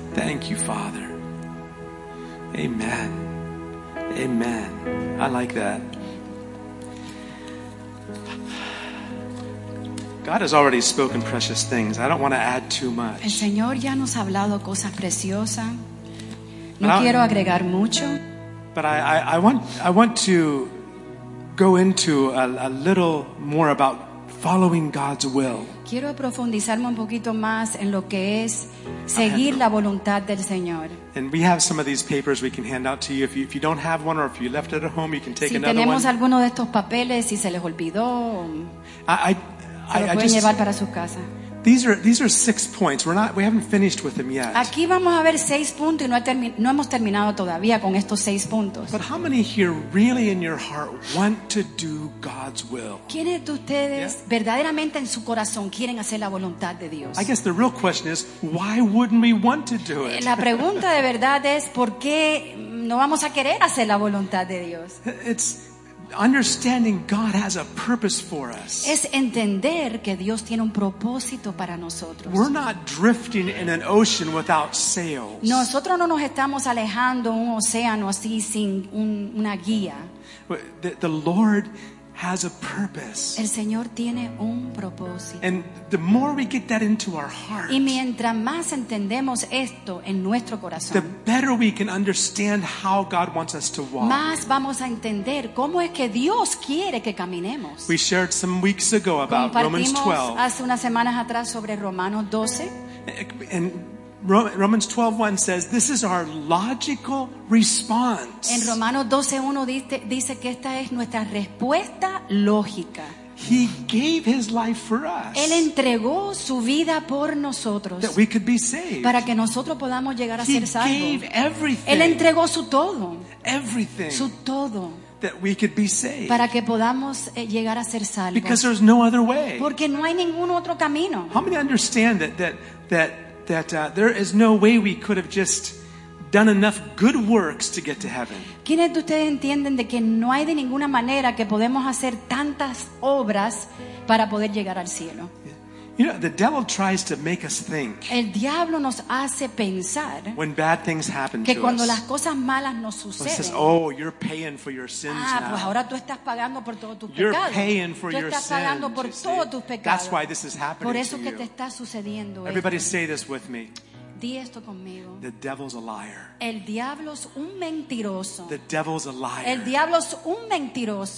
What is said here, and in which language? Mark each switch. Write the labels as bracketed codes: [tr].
[en] Thank you, Father. Amen. Amen. I like that. God has already spoken precious things. I don't want to add too much. [es] El Señor ya nos ha hablado cosas preciosas. No quiero agregar mucho. [en] But I want to go into a little more about following God's will. [es] Quiero profundizarme un poquito más en lo que es seguir la voluntad del Señor. [en] And we have some of these papers we can hand out to you. If you don't have one or if you left it at home, you can take [es] si [en] another one. [es] Si tenemos alguno de estos papeles y se les olvidó, se lo pueden llevar para su casa. [en] These are 6 points. We haven't finished with them yet. [es] Aquí vamos a ver 6 puntos y no hemos terminado todavía con estos 6 puntos. [en] But how many here really in your heart want to do God's will? [es] ¿Quiénes de ustedes verdaderamente en su corazón quieren hacer la voluntad de Dios? [en] I guess the real question is, why wouldn't we want to do it? [es] La pregunta de verdad es, ¿por qué no vamos a querer hacer la voluntad de Dios? [en] It's understanding God has a purpose for us. [es] Es entender que Dios tiene un propósito para nosotros. [en] We're not drifting in an ocean without sails. [es] Nosotros no nos estamos alejando un océano así sin una guía. [en] The Lord has a purpose. [es] El Señor tiene un propósito. [en] And the more we get that into our heart, [es] y mientras más entendemos esto en nuestro corazón, [en] the better we can understand how God wants us to walk. [es] Más vamos a entender cómo es que Dios quiere que caminemos. [en] We shared some weeks ago about Romans 12. [es] Hace unas semanas atrás sobre Romanos 12. [en] And Romans 12:1 says this is our logical response. [es] En Romanos 12:1 dice que esta es nuestra respuesta lógica. [en] He gave his life for us. [es] Él entregó su vida por nosotros. [en] That we could be saved. [es] Para que nosotros podamos llegar a ser salvos. [en] He gave everything. [es] Él entregó su todo. [en] Everything. [es] Su todo. [en] That we could be saved. [es] Para que podamos llegar a ser salvos. [en] Because there's no other way. [es] Porque no hay ningún otro camino. [en] How many understand that there is no way we could have just done enough good works to get to heaven? [es] ¿Quiénes de ustedes entienden de que no hay de ninguna manera que podemos hacer tantas obras para poder llegar al cielo? [en] You know, the devil tries to make us think. [es] El diablo nos hace pensar. [en] When bad things happen to us. [es] Que cuando las cosas malas nos suceden. [en] He says, "Oh, you're paying for your sins now." [es] Ah, pues ahora tú estás pagando por todos tus pecados. [en] You're paying for your sins. [es] Tú estás pagando por todos tus pecados. [en] That's why this is happening. [es] Por eso que te está sucediendo esto. [en] Everybody say this with me. [es] Di esto conmigo. [en] The devil's a liar. [es] El diablo es un mentiroso. [en] The devil's a liar. [es] El diablo es un mentiroso.